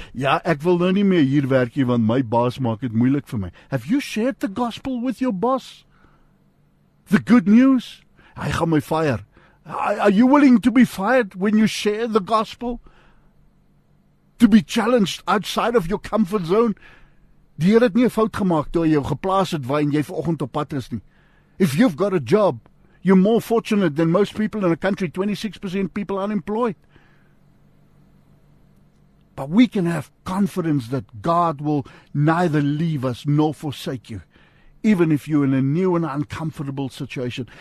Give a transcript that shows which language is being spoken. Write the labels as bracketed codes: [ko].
[af] Ja, ek wil nou nie meer hier werk nie, want my baas maak het moeilik vir my. [en] Have you shared the gospel with your boss? The good news? [af] Hy gaan my fire. [en] Are you willing to be fired when you share the gospel? To be challenged outside of your comfort zone? [af] Die Heer het nie fout gemaak toe hy jou geplaas het waar en jy vanoggend op pad is nie. [en] If you've got a job, you're more fortunate than most people in a country, 26% people unemployed. But we can have confidence that God will neither leave us nor forsake you, even if you're in a new and uncomfortable situation.